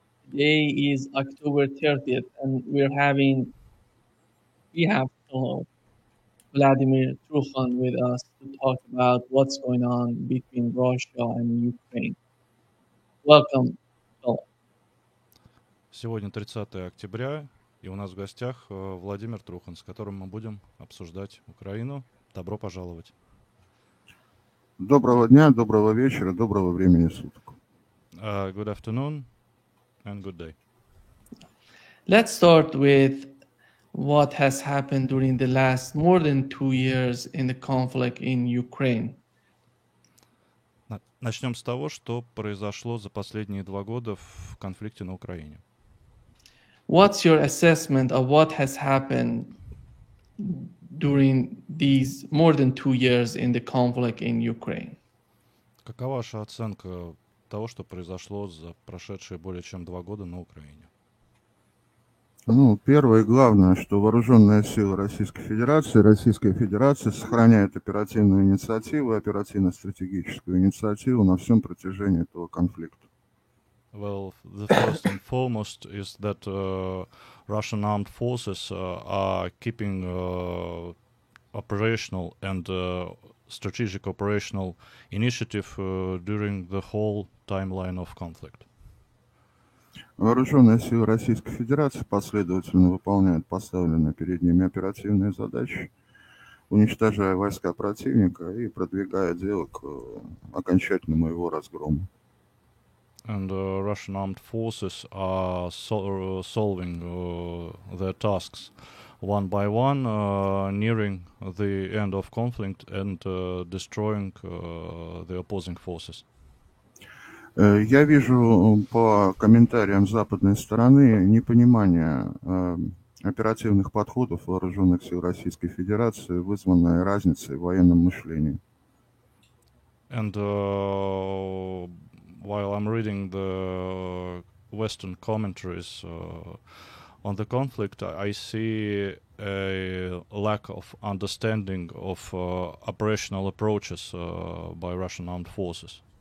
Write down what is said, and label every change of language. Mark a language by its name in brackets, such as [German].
[English] Today is October 30th and we have Vladimir Trufan with us to talk about what's going on between Russia and Ukraine. Welcome. [Russian] Сегодня 30 октября, и у нас в гостях Владимир Трухин, с которым мы будем обсуждать Украину. Добро пожаловать. Доброго дня, доброго вечера, доброго времени суток. [English] Good afternoon and good day. Let's start with what has happened during the last more than 2 years in the conflict in Ukraine. [Russian] Начнем с того, что произошло за последние 2 года в конфликте на Украине. [English] What's your assessment of what has happened during these more than 2 years in the conflict in Ukraine? [Russian] Какова ваша оценка того, что произошло за прошедшие более чем 2 года на Украине? Ну, первое и главное, что вооруженные силы Российской Федерации сохраняют оперативную инициативу, оперативно-стратегическую инициативу на всем протяжении этого конфликта. [English] Well, the first and foremost is that Russian armed forces are keeping operational and strategic operational initiative during the whole timeline of conflict. [Russian] Вооруженные силы Российской Федерации последовательно выполняют поставленные перед ними оперативные задачи, уничтожая войска противника и продвигая дело к окончательному его разгрому. [English] And Russian armed forces are solving their tasks one by one, nearing the end of conflict and destroying the opposing forces. [Russian] Я вижу по комментариям западной стороны непонимание оперативных подходов вооруженных сил Российской Федерации, вызванное разницей в военном мышлении. [English] And while I'm reading the Western commentaries on the conflict, I see a lack of understanding of operational approaches by Russian armed forces.